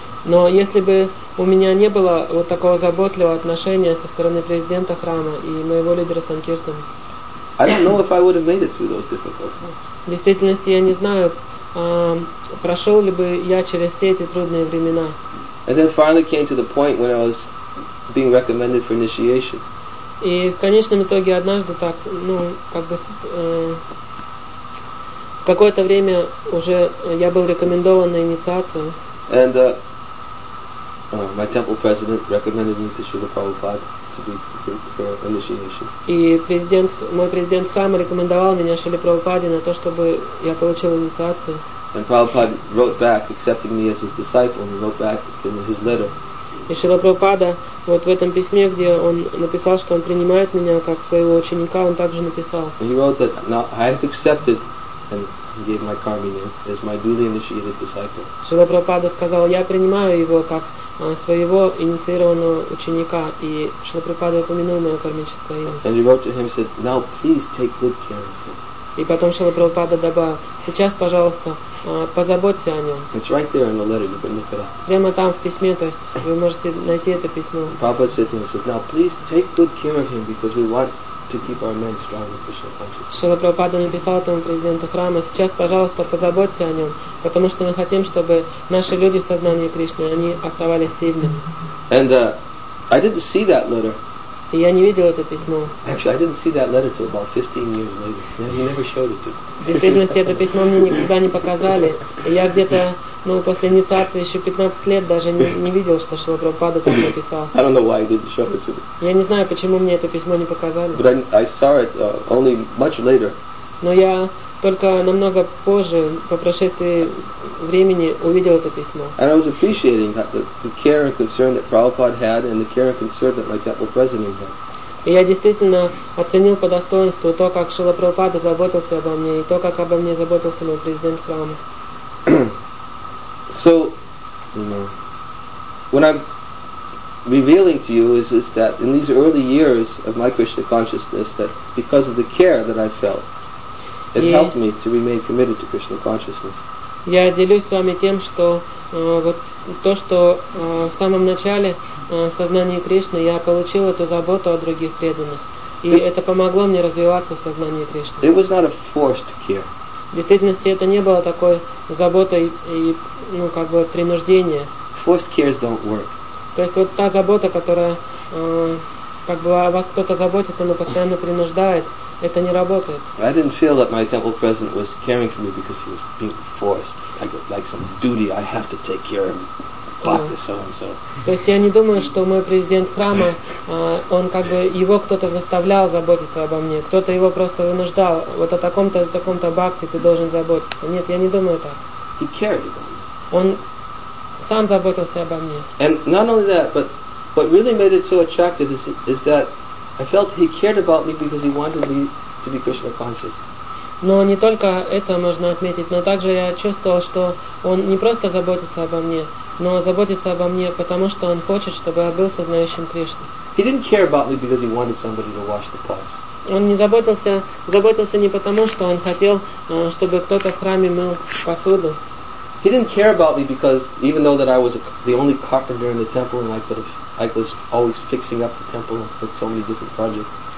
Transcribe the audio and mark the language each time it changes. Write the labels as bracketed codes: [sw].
[ru] но если бы у меня не было вот такого заботливого отношения со стороны президента храма и моего лидера санкиртан, [en] I don't know if I would have made it through those difficulties. [ru] В действительности я не знаю, прошел ли бы я через все эти трудные времена. [en] And then finally came to the point when I was being recommended for initiation. [ru] И в конечном итоге однажды так, в какое-то время уже я был рекомендован на инициацию. [en] And my temple president recommended me to Srila Prabhupada for initiation. [ru] И мой президент сам рекомендовал меня Шриле Прабхупаде на то, чтобы я получил инициацию. [en] And Prabhupada wrote back, accepting me as his disciple, and wrote back in his letter. [ru] И Шрила Прабхупада вот в этом письме, где он написал, что он принимает меня как своего ученика, он также написал. [en] He wrote that now I have accepted and gave my karmic name as my duly initiated disciple. [ru] Шрила Прабхупада сказал, я принимаю его как своего инициированного ученика, и Шрила Прабхупада упомянул мое кармическое имя. [en] And he wrote to him, said, now please take good care of him. [ru] И потом Шрила Прабхупада добавил, сейчас, пожалуйста, позаботься о нем. [en] It's right there in the letter. You can look it up. [ru] Прямо там в письме, то есть вы можете найти это письмо. [en] Prabhupada said to him, he says, now please take good care of him because we want to keep our men strong and efficient consciousness. [ru] Шрила Прабхупада написал этому президенту храма, сейчас, пожалуйста, позаботься о нем, потому что мы хотим, чтобы наши люди в сознании Кришны, они оставались сильными. [en] And I didn't see that letter. [ru] И я не видел это письмо. [en] Actually, I didn't see that letter till about 15 years later. He never showed it to me. [ru] В действительности это письмо мне никогда не показали. И я где-то, ну, после инициации еще 15 лет даже не видел, что Шрила Прабхупада там написал. [en] I don't know why he didn't show it to me. [ru] Я не знаю, почему мне это письмо не показали. [en] But I saw it only much later. [ru] Но я только намного позже, по прошествии времени, увидел это письмо. [en] And I was appreciating the care and concern that Prabhupada had and the care and concern that my temple president had. [ru] И я действительно оценил по достоинству то, как Шрила Прабхупада заботился обо мне, и то, как обо мне заботился мой президент храма. [en] So, what I'm revealing to you is that in these early years of my Krishna consciousness, that because of the care that I felt, it helped me to remain committed to Krishna consciousness. [ru] Я делюсь с вами тем, что вот то, что в самом начале сознания Кришны я получил эту заботу о других преданных, и это помогло мне развиваться в сознании Кришны. [en] It was not a forced care. [ru] В действительности это не было такой заботой и ну как бы принуждение. [en] Forced cares don't work. [ru] То есть вот та забота, которая как бы о вас кто-то заботится, но постоянно принуждает, это не работает. [en] I didn't feel that my temple president was caring for me because he was being forced. Like some duty, I have to take care of Bhakti so and so. [ru] То есть я не думаю, что мой президент храма, он как бы его кто-то заставлял заботиться обо мне, кто-то его просто вынуждал. Вот о таком-то Бхакти ты должен заботиться. Нет, я не думаю так. [en] He cared about me. [ru] Он сам заботился обо мне. [en] And not only that, but what really made it so attractive is that I felt he cared about me because he wanted me to be Krishna conscious. [ru] Но не только это можно отметить, но также я чувствовал, что он не просто заботится обо мне, но заботится обо мне потому, что он хочет, чтобы я был сознающим Кришну. [en] He didn't care about me because he wanted somebody to wash the pots. [ru] Он не заботился не потому, что он хотел, чтобы кто-то в храме мыл посуду. [en] He didn't care about me because even though that I was the only carpenter in the temple and I was always fixing up the temple with so many different projects.